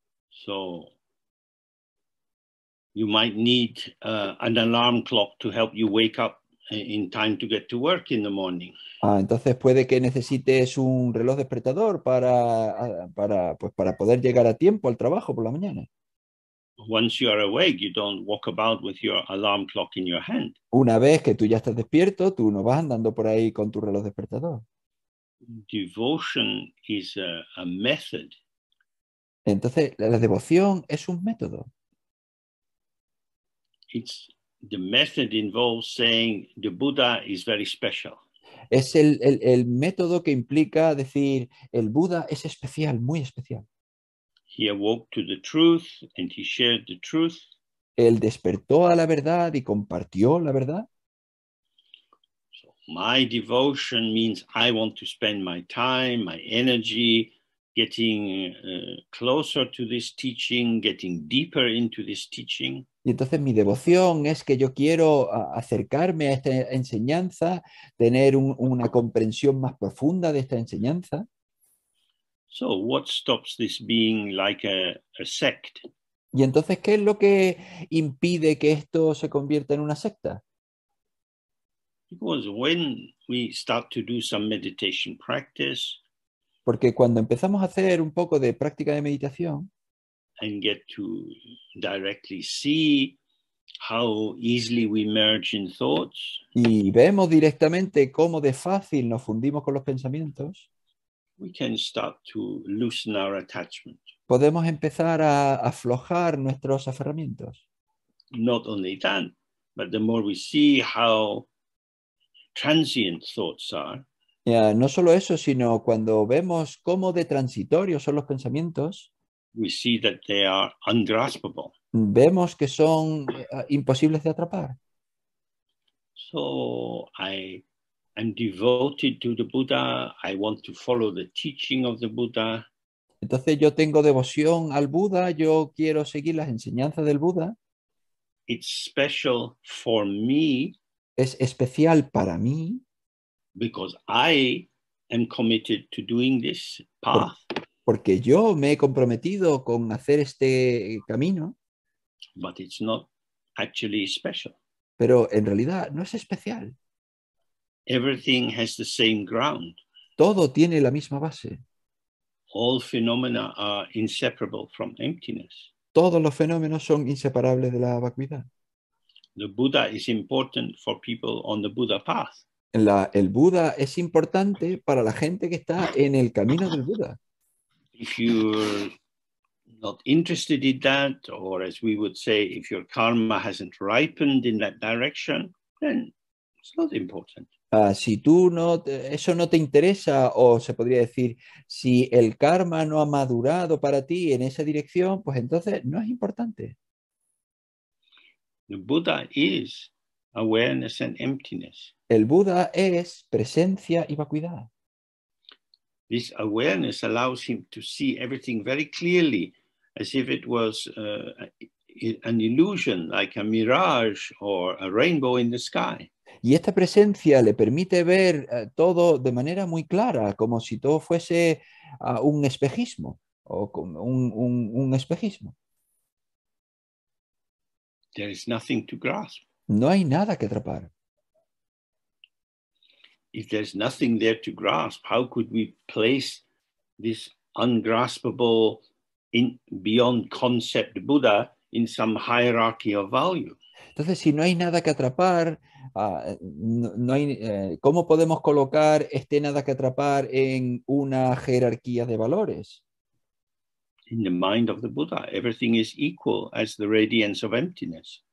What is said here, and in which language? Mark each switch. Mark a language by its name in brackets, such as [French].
[English] So you might need an alarm clock to help you wake up in time to get to work in the morning. [Spanish] Entonces puede que necesites un reloj despertador para poder llegar a tiempo al trabajo por la mañana. [English] Once you are awake, you don't walk about with your alarm clock in your hand. [Spanish] Una vez que tú ya estás despierto, tú no vas andando por ahí con tu reloj despertador. [English] Devotion is a method. [Spanish] Entonces la devoción es un método. [English] It's the method involves saying the Buddha is very special. [Spanish] Es el método que implica decir el Buddha es especial, muy especial. [English] He awoke to the truth and he shared the truth. [Spanish] Él despertó a la verdad y compartió la verdad. [English] So my devotion means I want to spend my time, my energy, getting closer to this teaching, getting deeper into this teaching. [Spanish] Y entonces mi devoción es que yo quiero acercarme a esta enseñanza, tener una comprensión más profunda de esta enseñanza. [English] So, what stops this being like a sect? [Spanish] Y entonces, ¿qué es lo que impide que esto se convierta en una secta? [English] Because when we start to do some meditation practice [Spanish] Porque cuando empezamos a hacer un poco de práctica de meditación, [English] and get to directly see how easily we merge in thoughts, [Spanish] y vemos directamente cómo de fácil nos fundimos con los pensamientos, [English] we can start to loosen our attachment. [Spanish] podemos empezar a aflojar nuestros aferramientos. [English] Not only that, but the more we see how transient thoughts are. [Spanish] No solo eso, sino cuando vemos cómo de transitorios son los pensamientos, [English] We see that they are ungraspable. [Spanish] vemos que son imposibles de atrapar. [English] So I am devoted to the Buddha. I want to follow the teaching of the Buddha. [Spanish] Entonces yo tengo devoción al Buda, yo quiero seguir las enseñanzas del Buda. [English] It's special for me [Spanish] Es especial para mí [English] because I am committed to doing this path. [Spanish] porque yo me he comprometido con hacer este camino, [English] But it's not actually special. [Spanish] pero en realidad no es especial. [English] Everything has the same ground. [Spanish] Todo tiene la misma base. [English] All phenomena are inseparable from emptiness. [Spanish] Todos los fenómenos son inseparables de la vacuidad. [English] The Buddha is important for people on the Buddha path. [Spanish] El Buda es importante para la gente que está en el camino del Buda. [English] If you're not interested in that, or as we would say, if your karma hasn't ripened in that direction, then it's not important. [Spanish] Si tú no, eso no te interesa, o se podría decir, si el karma no ha madurado para ti en esa dirección, pues entonces no es importante. [English] The Buddha is awareness and emptiness. [Spanish] El Buda es presencia y vacuidad. [English] This awareness allows him to see everything very clearly, as if it was an illusion, like a mirage or a rainbow in the sky. [Spanish] Y esta presencia le permite ver todo de manera muy clara, como si todo fuese un espejismo o como un espejismo. [English] There is nothing to grasp. [Spanish] No hay nada que atrapar. [English] If there's nothing there to grasp, how could we place this ungraspable in beyond concept Buddha in some hierarchy of value? [Spanish] Entonces, si no hay nada que atrapar, no hay, ¿cómo podemos colocar este nada que atrapar en una jerarquía de valores? [English] In the mind of the Buddha, everything is equal as the radiance of emptiness.